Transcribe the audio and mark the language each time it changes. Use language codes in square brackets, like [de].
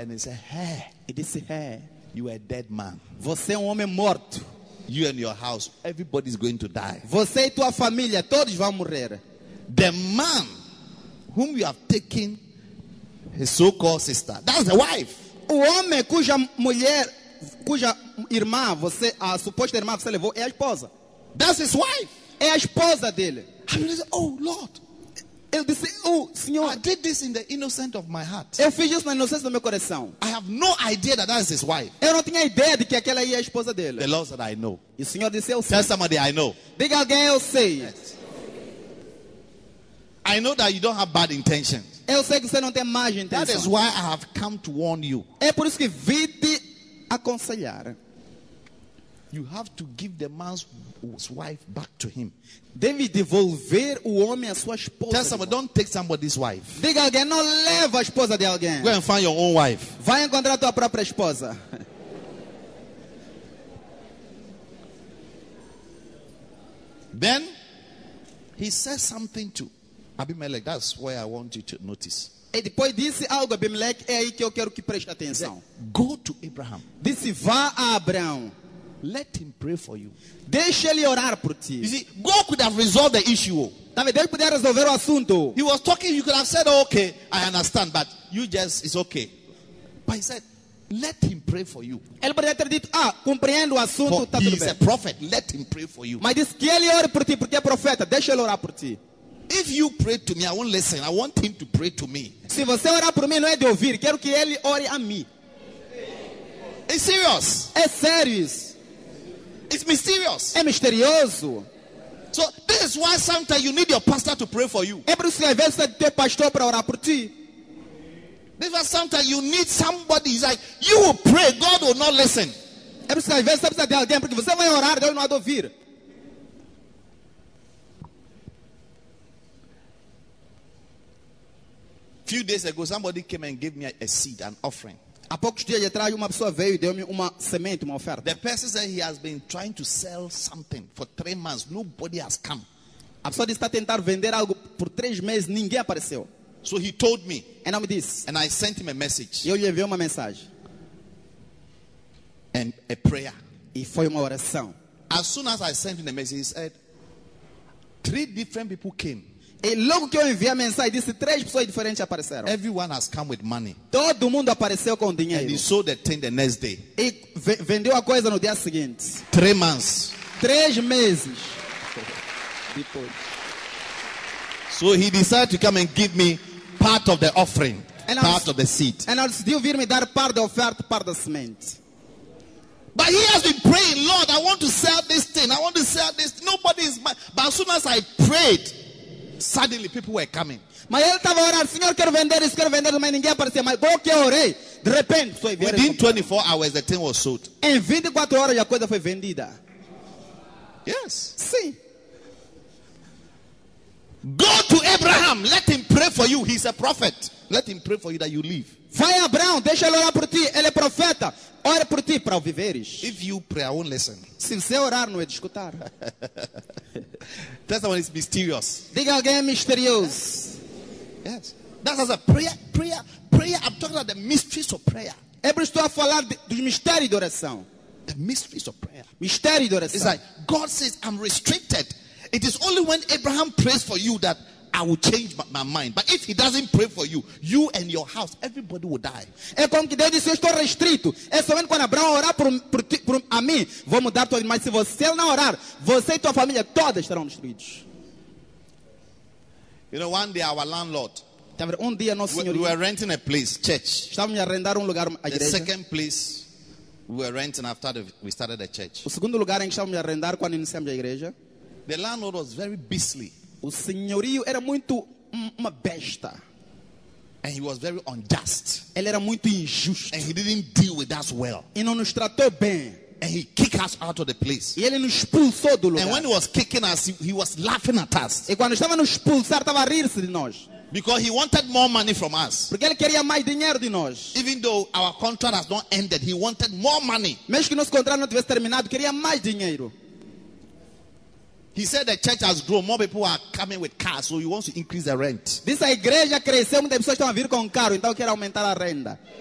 [en] And he said, "Hey." [pt] E disse, "Hey." [en] You are a dead man. [pt] Você é homem morto. [en] You and your house, everybody's going to die. [pt] Você e tua família, todos vão morrer. [en] The man whom you have taken, his so-called sister, that's the wife. [pt] O homem cuja mulher, cuja irmã, você, a suposta irmã, você levou, é a esposa. [en] That's his wife. [pt] É a esposa dele. [en] I mean, oh Lord. [pt] Ele disse, oh, Senhor, [en] I did this in the innocence of my heart. [pt] Eu fiz isso na inocência do meu coração. [en] I have no idea that that is his wife. [pt] Eu não tinha ideia de que aquela é a esposa dele. [en] The Lord said, "I know." [pt] E o Senhor disse, eu sei. [en] Tell somebody, "I know." [pt] Diga alguém, eu sei. [en] Yes. I know that you don't have bad intentions. [pt] Eu sei que você não tem más intenções. [en] That is why I have come to warn you. [pt] É por isso que vim te aconselhar. [en] You have to give the man's wife back to him. [pt] Deve devolver o homem a sua esposa. [en] Tell somebody, don't take somebody's wife. [pt] Diga alguém, não leve a esposa de alguém. [en] Go and find your own wife. [pt] Vai encontrar tua própria esposa. [en] Then he says something to Abimelech. That's where I want you to notice. [pt] E depois disse algo a Abimelech, é aí que eu quero que preste atenção. [en] Go to Abraham. [pt] Disse, vá a Abraão. [en] Let him pray for you. [pt] Deixa ele orar por ti. [en] You see, God could have resolved the issue. [pt] Tá vendo? Ele podia resolver o assunto. [en] He was talking. You could have said, "Okay, I understand, but you just it's okay." But he said, "Let him pray for you." [pt] Ele poderia ter dito, "Ah, compreendo o assunto, [en] for [pt] tá tudo bem." [en] He's a prophet. Let him pray for you. [pt] Mas diz que ele ore por ti porque é profeta. Deixa ele orar por ti. [en] If you pray to me, I won't listen. I want him to pray to me. [pt] Se você orar por mim, não é de ouvir. Quero que ele ore a mim. [en] It's serious. [pt] É sério. [en] It's mysterious. [pt] É misterioso. [en] So this is why sometimes you need your pastor to pray for you. [pt] É por isso que às vezes você tem pastor para orar por ti. [en] This is why sometimes you need somebody. It's like you will pray, God will not listen. [pt] É por isso que às vezes você precisa de alguém porque você vai orar, Deus não vai ouvir. [en] Few days ago, somebody came and gave me a seed, an offering. [pt] Há poucos dias atrás, uma pessoa veio e deu-me uma semente, uma oferta. [en] The person said he has been trying to sell something for 3 months. Nobody has come. [pt] A pessoa disse, está tentando vender algo por 3 meses, ninguém apareceu. [en] So he told me. And I'm this. And I sent him a message. [pt] E eu lhe enviei uma mensagem. [en] And a prayer. [pt] E foi uma oração. [en] As soon as I sent him the message, he said, 3 different people came. [pt] E logo que eu enviei a mensagem, disse 3 pessoas diferentes apareceram. [en] Everyone has come with money. [pt] Todo mundo apareceu com dinheiro. [en] And he sold the thing the next day. [pt] E vendeu a coisa no dia seguinte. [en] 3 months. [pt] 3 meses. Depois. [en] So he decided to come and give me part of the offering, and part of the seed. And [pt] ele decidiu vir me dar parte da oferta, parte da semente. [en] But he has been praying, "Lord, I want to sell this thing. I want to sell this. Nobody is my." But as soon as I prayed, suddenly people were coming. [pt] Mas ele estava orando, "Senhor, quero vender isso, quero vender", mas ninguém aparecia. Mas bom que eu orei, de repente foi vendido. [en] Within 24 hours the thing was sold. [pt] Em 24 horas a coisa foi vendida. [en] Yes. [pt] Sim. [en] Go to Abraham, let him pray for you. He's a prophet. Let him pray for you that you live. [pt] Vai a Abraão, deixa ele orar por ti. Ele é profeta. Ore por ti para viveres. [en] If you pray, I won't listen. [pt] Se você orar, não é de escutar. [en] That's the one is mysterious. [pt] Diga alguém é misterioso. [en] Yes. That's as a prayer, prayer, prayer. I'm talking about the mysteries of prayer. [pt] É por isso que estou a falar dos mistérios de oração. [en] The mysteries of prayer. [pt] Mistério de oração. [en] It's like God says, I'm restricted. It is only when Abraham prays for you that I will change my mind. But if he doesn't pray for you, you and your house, everybody will die. [pt] É como que Deus disse, eu estou restrito. É somente quando Abraão orar por a mim, vou mudar tua vida. Mas se você não orar, você e tua família todas estarão destruídos. [en] You know, one day our landlord, [pt] um dia nosso senhor, [en] we were renting a place, church. [pt] Estávamos a arrendar lugar, a igreja. [en] The second place we were renting after we started the church. [pt] O segundo lugar em que estávamos a arrendar quando iniciamos a igreja. [en] The landlord was very beastly. [pt] O senhorio era muito uma besta. [en] And he was very unjust. [pt] Ele era muito injusto. [en] And he didn't deal with us well. [pt] E não nos tratou bem. [en] And he kicked us out of the place. [pt] E ele nos expulsou do lugar. [en] And when he was kicking us, he was laughing at us. [pt] E quando estava a nos expulsar, estava a rir-se de nós. [en] Because he wanted more money from us. [pt] Porque ele queria mais dinheiro de nós. [en] Even though our contract has not ended, he wanted more money. [pt] Mesmo que nosso contrato não tivesse terminado, queria mais dinheiro. [en] He said the church has grown. More people are coming with cars, so he wants to increase the rent. [pt] Diz a igreja cresceu, muitas pessoas estão a vir com carro, então quer aumentar a renda.